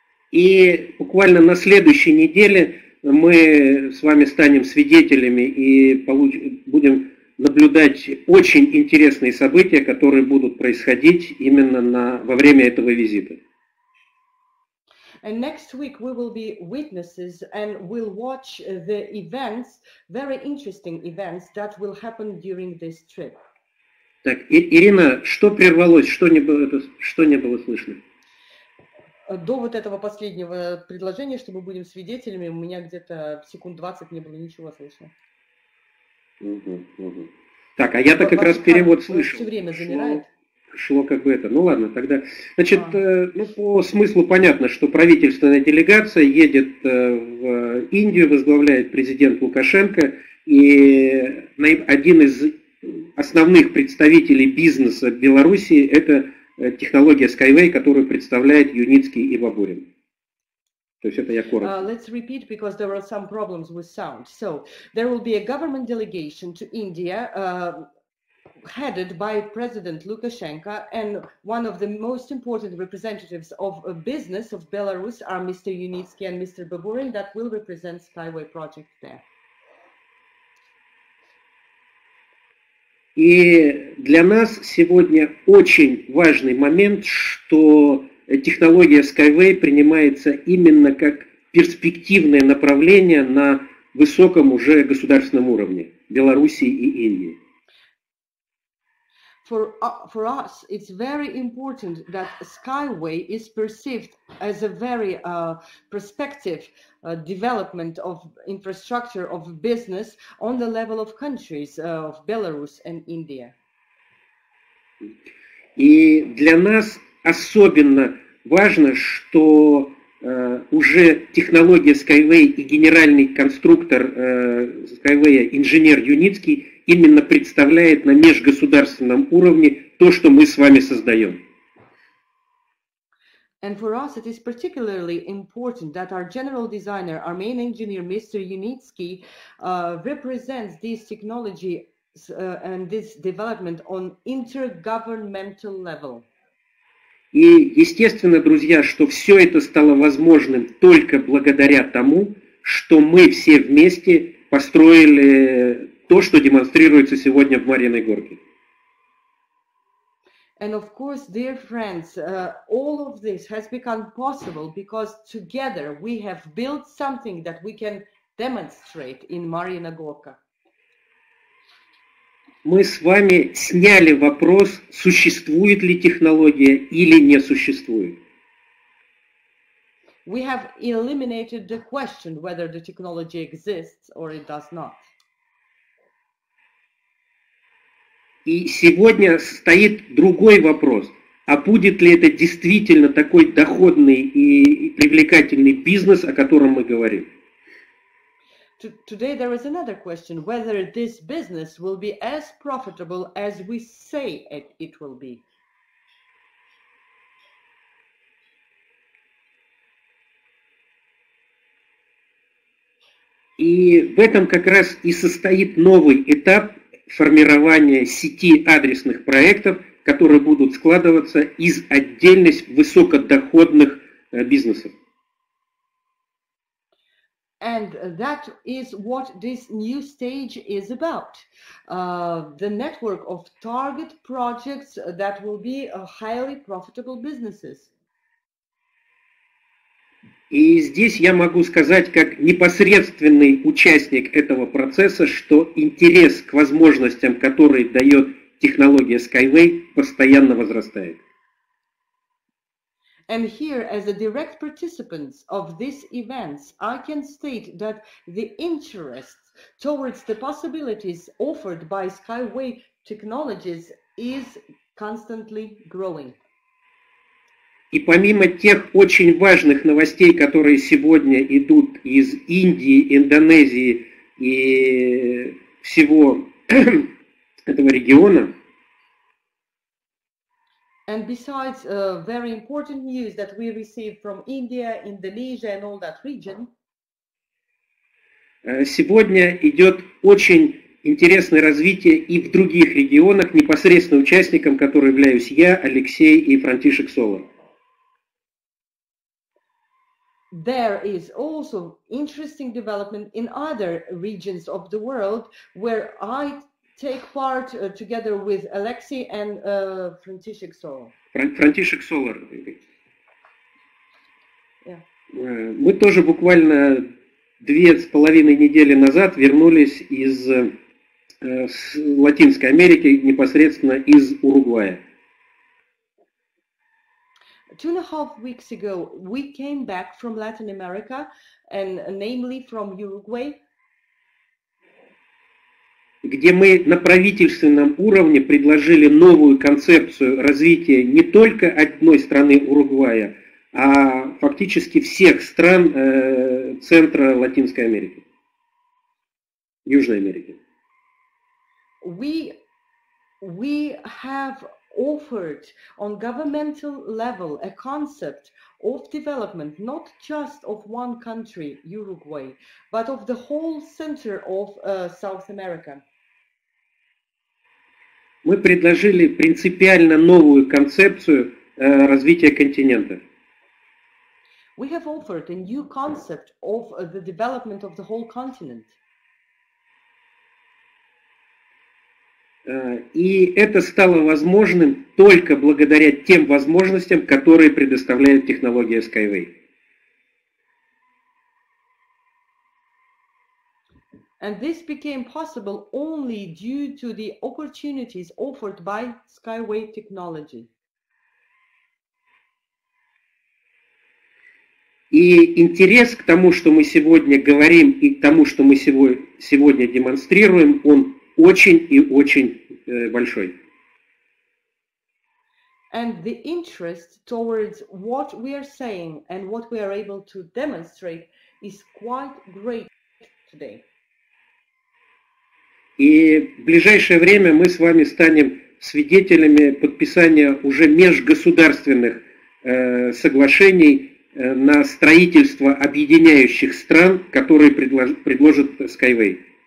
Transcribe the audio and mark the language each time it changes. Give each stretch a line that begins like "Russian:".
Russian: И буквально на следующей неделе мы с вами станем свидетелями и будем наблюдать очень интересные события, которые будут происходить именно во время этого визита.
English: And next week we will be witnesses and will watch the events, very interesting events that will happen during this trip.
Russian: Так, Ирина, что прервалось, что не было слышно? До вот этого последнего предложения, что мы будем свидетелями, у меня где-то секунд 20 не было ничего слышно. Так, а я-то как раз перевод слышу. Все время замирает. Шло как бы это. Ну ладно, тогда. Значит, по смыслу понятно, что правительственная делегация едет в Индию, возглавляет президент Лукашенко, и один из основных представителей бизнеса Белоруссии – это технология Skyway, которую представляет Юницкий и Бабурин. То есть это я коротко.
English: Let's repeat, because there were some problems with sound. So, there will be a government delegation to India, headed by President Lukashenko, and one of the most important representatives of business of Belarus are Mr. Yunitsky and Mr. Baburin, that will represent Skyway project there.
Russian: И для нас сегодня очень важный момент, что технология Skyway принимается именно как перспективное направление на высоком уже государственном уровне Белоруссии и Индии.
English: For us it's very important that Skyway is perceived as a very prospective development of infrastructure of business on the level of countries of Belarus and India.
Russian: И для нас особенно важно, что уже технология Skyway и генеральный конструктор Skyway, инженер Юницкий, именно представляет на межгосударственном уровне то, что мы с вами создаем.
English: And for us it is particularly important that our general designer, our main engineer, Mr. Yunitsky, represents this technology and this development on intergovernmental level.
Russian: И естественно, друзья, что все это стало возможным только благодаря тому, что мы все вместе построили то, что демонстрируется сегодня в Марьиной Горке.
English: And of course, dear friends, all of this has become possible because together we have built something that we can demonstrate in Марьина Горка.
Russian: Мы с вами сняли вопрос, существует ли технология или не существует.
English: We have eliminated the question whether the technology exists or it does not.
Russian: И сегодня стоит другой вопрос, а будет ли это действительно такой доходный и привлекательный бизнес, о котором мы говорим?
English: Today there is another question, whether this business will be as profitable as we say it will be.
Russian: И в этом как раз и состоит новый этап формирования сети адресных проектов, которые будут складываться из отдельных высокодоходных бизнесов.
English: And that is what this new stage is about. The network of target projects that will be highly profitable businesses.
Russian: И здесь я могу сказать, как непосредственный участник этого процесса, что интерес к возможностям, которые дает технология Skyway, постоянно возрастает.
English: And here, as a direct participant of these events, I can state that the interest towards the possibilities offered by Skyway Technologies is constantly growing.
Russian: И помимо тех очень важных новостей, которые сегодня идут из Индии, Индонезии и всего этого региона,
English: and besides very important news that we received from India, Indonesia and all that region,
Russian: сегодня идет очень интересное развитие и в других регионах, непосредственно участником, которым являюсь я, Алексей и Франтишек Солон.
English: There is also interesting development in other regions of the world where I take part together with Alexei and František Solar. František Solar. Yeah.
Russian: Мы тоже буквально 2.5 недели назад вернулись из Латинской Америки, непосредственно из Уругвая.
English: 2.5 weeks ago, we came back from Latin America, and namely from Uruguay,
Russian: где мы на правительственном уровне предложили новую концепцию развития не только одной страны Уругвая, а фактически всех стран центра Латинской Америки, Южной Америки.
English: We have offered on governmental level a concept of development not just of one country, Uruguay, but of the whole center of South America.
Russian: Мы предложили принципиально новую концепцию развития континента.
English: We have offered a new concept of the development of the whole continent.
Russian: И это стало возможным только благодаря тем возможностям, которые предоставляет технология Skyway.
English: And this became possible only due to the opportunities offered by Skyway Technology.
Russian: И интерес к тому, что мы сегодня говорим, и к тому, что мы сегодня демонстрируем, он очень и очень большой.
English: And the interest towards what we are saying and what we are able to demonstrate is quite great today.
Russian: И в ближайшее время мы с вами станем свидетелями подписания уже межгосударственных соглашений на строительство объединяющих стран, которые предложит Skyway.